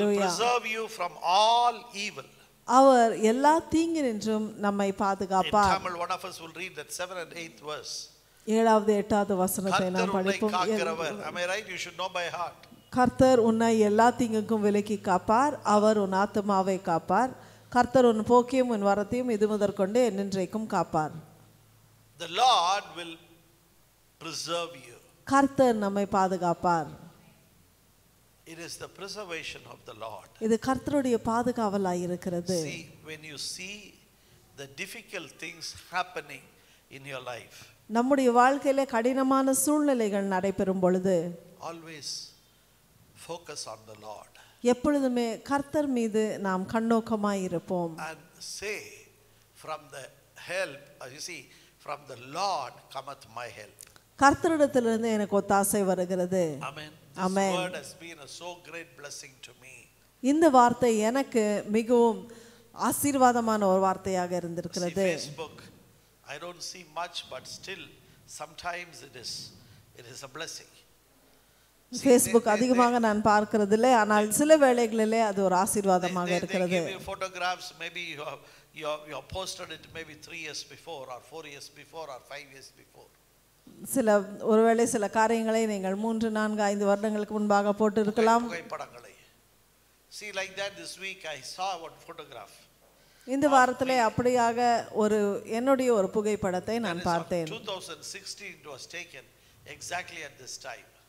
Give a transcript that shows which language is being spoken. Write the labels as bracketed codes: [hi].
[en] He will preserve you from all evil. [ta] அவர் எல்லா தீங்கினின்றும் நம்மை பாதுகாப்பார். [en] In Tamil, one of us will read that 7th and 8th verse. [ta] ஏழாவது எட்டாவது வசனத்தை நாம் படிப்போம். [en] Am I right? You should know by heart. [ta] கர்த்தர் உன்னை எல்லா தீங்குக்கும் விலக்கி காப்பார். அவர் உன் ஆத்மாவை காப்பார். கர்த்தர் உன் போக்கையும் உன் வரத்தையும் இது முதற் கொண்டு என்னென்றைக்கும் காப்பார். [en] The Lord will preserve you. [ta] கர்த்தர் நம்மை பாதுகாப்பார். [en] It is the preservation of the Lord. [ta] இது கர்த்தருடைய பாதுகாவலாய் இருக்கிறது. [en] See, when you see the difficult things happening in your life. [ta] நம்முடைய வாழ்க்கையில கடினமான சூழ்நிலைகள் நடைபெறும் பொழுது [en] always focus on the Lord. [ta] எப்பொழுதுமே கர்த்தர் மீது நாம் கண்ணோக்கமாய் இருப்போம். [en] And say, from the help, you see, from the Lord cometh my help. [ta] கர்த்தரிடத்திலிருந்து எனக்கு ஒத்தாசை வருகிறது. [en] Amen. Amen. This word has been a so great blessing to me. [ta] இந்த வார்த்தை எனக்கு மிகவும் ஆசீர்வாதமான ஒரு வார்த்தையாக இருந்திருக்கிறது. [en] See, Facebook, I don't see much, but still sometimes it is a blessing. [ta] Facebook அதிகமாக நான் பார்க்கிறதில்லை, ஆனால் சில வேளைகளிலே அது ஒரு ஆசீர்வாதமாக இருக்கிறது. [en] They give you photographs, maybe you have posted it maybe 3 years before or 4 years before or 5 years before. [ta] சில ஒருவேளை சில காரியங்களை நீங்கள் 3-5 வருடங்களுக்கு முன்பாக போட்டிருக்கலாம். [en] See, like that, this week I saw one photograph. [ta] இந்த வாரத்திலே அப்படியாக ஒரு என்னுடைய ஒரு புகைப்படத்தை நான் பார்த்தேன். [en] 2016 it was taken exactly at this time.